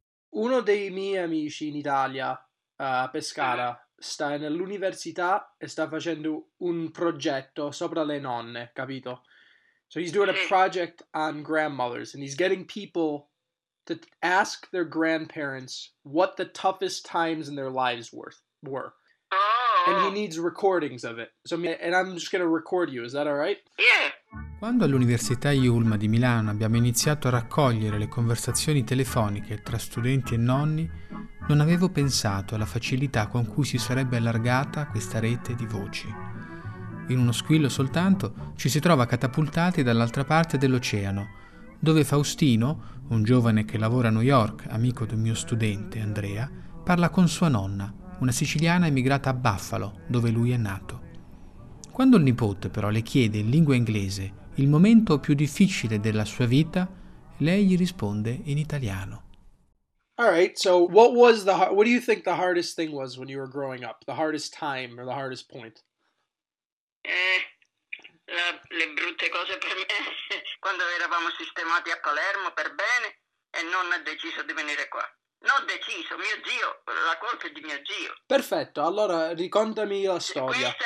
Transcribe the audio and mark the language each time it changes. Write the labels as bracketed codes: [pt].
[it] Uno dei miei amici in Italia, a Pescara, sta nell'università e sta facendo un progetto sopra le nonne, capito? [en] So he's doing a project on grandmothers, and he's getting people to ask their grandparents what the toughest times in their lives were. Oh. And he needs recordings of it. So, and I'm just going to record you, is that all right? Yeah. [it] Quando all'Università IULM di Milano abbiamo iniziato a raccogliere le conversazioni telefoniche tra studenti e nonni, non avevo pensato alla facilità con cui si sarebbe allargata questa rete di voci. In uno squillo soltanto ci si trova catapultati dall'altra parte dell'oceano, dove Faustino, un giovane che lavora a New York, amico del mio studente Andrea, parla con sua nonna, una siciliana emigrata a Buffalo, dove lui è nato. Quando il nipote però le chiede in lingua inglese il momento più difficile della sua vita, lei gli risponde in italiano. [en] All right, so what was the what do you think the hardest thing was when you were growing up? The hardest time or the hardest point? [it] Le brutte cose per me quando eravamo sistemati a Palermo per bene e nonna ha deciso di venire qua. Non deciso, mio zio, la colpa è di mio zio. Perfetto, allora ricontami la storia.